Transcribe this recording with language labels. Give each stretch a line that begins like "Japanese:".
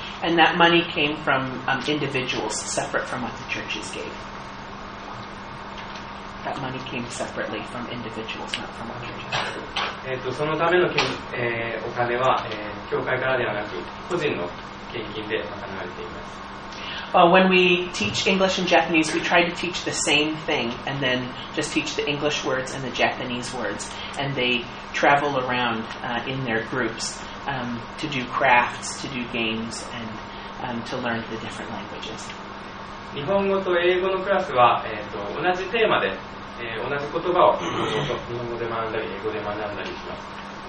English: And that money came from individuals separate from what the churches gave. That money came separately from individuals, not from what the churches gave.
Japanese: そのための、お金は、教会からではなく個人の献金で賄われています。
English: When we teach English and Japanese, we try to teach the same thing and then just teach the English words and the Japanese words. And they travel around in their groups to do crafts, to do games, and to learn the different languages.
Japanese: 日本語と英語のクラスは、同じテーマで、同じ言葉を日本語で学んだり英語で学んだりします。